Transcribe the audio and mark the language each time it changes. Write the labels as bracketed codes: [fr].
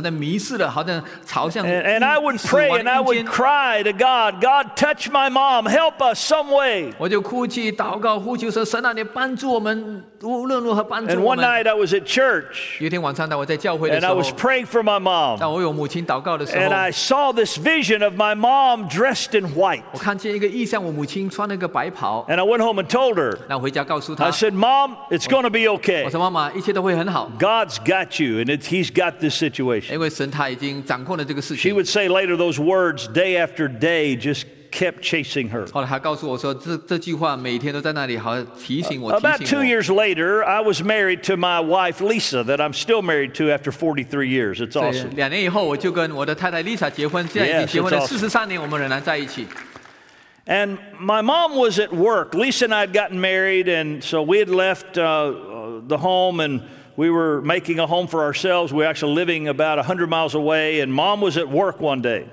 [en] And I would pray and I would cry to God, God, touch my mom, help us some way. [zh] 我就哭泣祷告呼求说神啊你帮助我们 [en] And one night I was at church. And I was praying for my mom. And I saw this vision of my mom dressed in white. And I went home and told her. I said, Mom, it's going to be okay. God's got you, and he's got this situation. She would say later those words day after day, just kept chasing her. About 2 years later, I was married to my wife, Lisa, that I'm still married to after 43 years. It's awesome. [zh] 两年以后我就跟我的太太Lisa结婚, 现在已经结婚了43年我们仍然在一起。 [en] And my mom was at work. Lisa and I had gotten married, and so we had left the home, and we were making a home for ourselves. We were actually living about 100 miles away, and mom was at work one day.